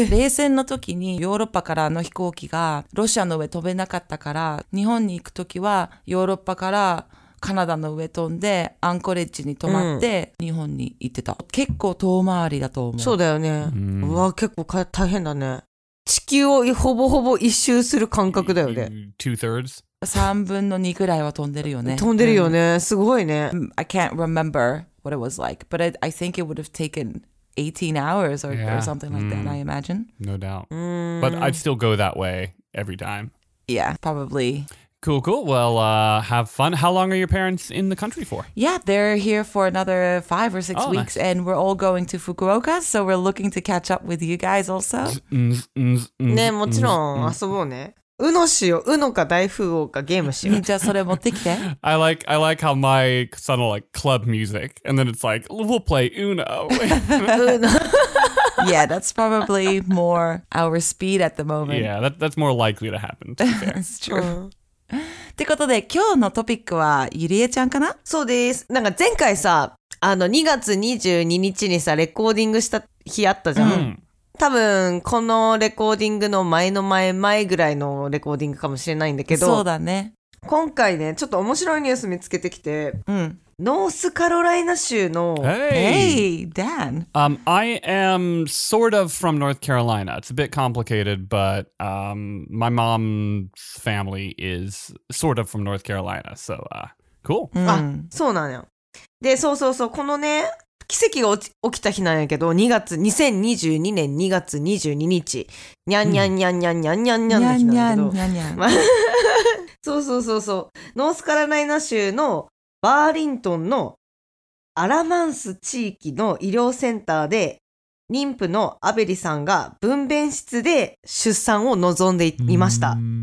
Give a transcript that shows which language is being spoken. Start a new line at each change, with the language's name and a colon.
Japanese: 冷戦の時にヨーロッパからの飛行機がロシアの上飛べなかったから、日本に行く時はヨーロッパからカナダの上飛んでアンコレッジに泊まって日本に行ってた。結構遠回りだと思う。そうだよね。うわ、結構大変だね。地球をほぼほぼ一周する感覚だよね。 2/3? 3分の2くらいは飛んでるよね。飛んでるよね。すごいね。
English: I can't remember what it was like, but I think it would have taken 18 hours or, yeah. or something like that, I imagine. No doubt. But I'd still go that way every time. Yeah, probably. Cool, cool. Well, have fun. How long are your parents in the country for? Yeah, they're here for another 5 or 6 weeks, nice. And we're all going to Fukuoka, so we're looking to catch up with you guys also.
Japanese: ね、もちろん遊ぼうね。ウノしよう、ウノか大富豪かゲームしよう。じゃあそれ持ってきて。
English: I like how my son will like club music, and then it's like, we'll play Uno. Uno. Yeah, that's probably more our speed at the moment. Yeah, that's more likely to happen, to be fair. That's true.
Japanese: ってことで、今日のトピックはゆりえちゃんかな? そうです。なんか前回さ、2月22日にさ、レコーディングした日あったじゃん。多分このレコーディングの前の前前ぐらいのレコーディングかもしれないんだけど、そうだね。今回ね、ちょっと面白いニュース見つけてきて、ノースカロライナ州の
English: Hey Dan. I am sort of from North Carolina. It's a bit complicated, but my mom's family is sort of from North Carolina. So cool.
Japanese: あ、そうなんや。で、そうそうそう、このね。奇跡が起きた日なんやけど、2022年2月22日、にゃんにゃんにゃんにゃんにゃんにゃんにゃんにゃんにゃんにゃんにゃんにゃんにゃんそうそうそうそう、ノースカロライナ州のバーリントンのアラマンス地域の医療センターで妊婦のアベリさんが分娩室で出産を望んでいました。